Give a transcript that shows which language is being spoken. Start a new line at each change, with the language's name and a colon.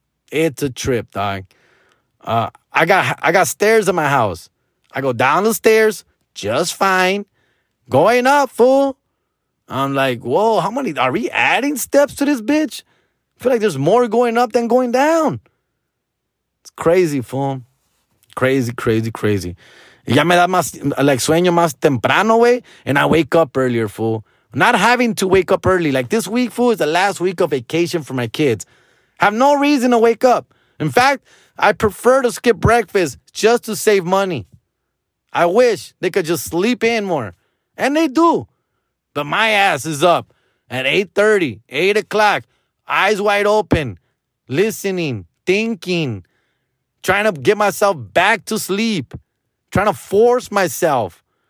English: It's a trip, dog. I got stairs in my house. I go down the stairs just fine. Going up, fool. I'm like, whoa, how many? Are we adding steps to this bitch? I feel like there's more going up than going down. It's crazy, fool. Crazy, crazy, crazy.
Spanish: Ya me da más, like, sueño más temprano, wey.
English: And I wake up earlier, fool. Not having to wake up early. Like, this week, fool, is the last week of vacation for my kids. Have no reason to wake up. In fact, I prefer to skip breakfast just to save money. I wish they could just sleep in more. And they do. But my ass is up at 8:30, 8 o'clock, eyes wide open, listening, thinking, trying to get myself back to sleep, trying to force myself.